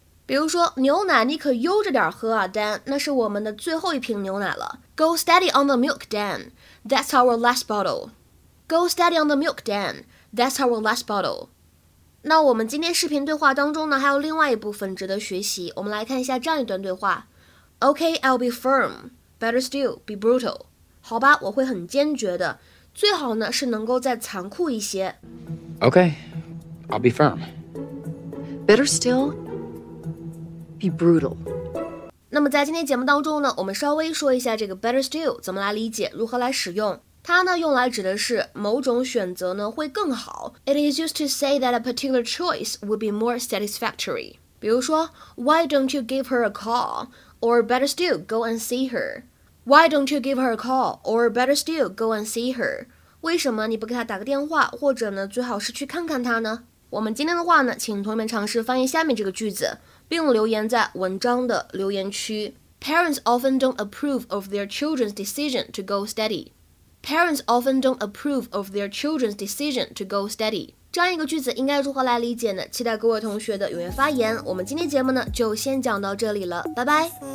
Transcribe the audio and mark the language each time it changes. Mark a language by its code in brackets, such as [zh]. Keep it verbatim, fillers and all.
[zh] 比如说牛奶你可悠着点喝啊 Dan， 那是我们的最后一瓶牛奶了。 [en] Go steady on the milk Dan, that's our last bottle. Go steady on the milk Dan, that's our last bottle. [zh] 那我们今天视频对话当中呢，还有另外一部分值得学习，我们来看一下这样一段对话。 [en] Okay, I'll be firm, better still, be brutal. [zh] 好吧，我会很坚决的，最好呢是能够再残酷一些。 [en] Okay, I'll be firm. Better still, be brutal. [zh] 那么在今天节目当中呢，我们稍微说一下这个 better still 怎么来理解，如何来使用。它呢用来指的是某种选择呢会更好。 [en] It is used to say that a particular choice would be more satisfactory. [zh] 比如说 [en] Why don't you give her a call? Or better still, go and see her. Why don't you give her a call? Or better still, go and see her. [zh] 为什么你不给她打个电话，或者呢最好是去看看她呢？我们今天的话呢，请同学们尝试翻译下面这个句子，并留言在文章的留言区。 [en] Parents often don't approve of their children's decision to go steady. Parents often don't approve of their children's decision to go steady. [zh] 这样一个句子应该如何来理解呢？期待各位同学的踊跃发言。我们今天节目呢就先讲到这里了，拜拜。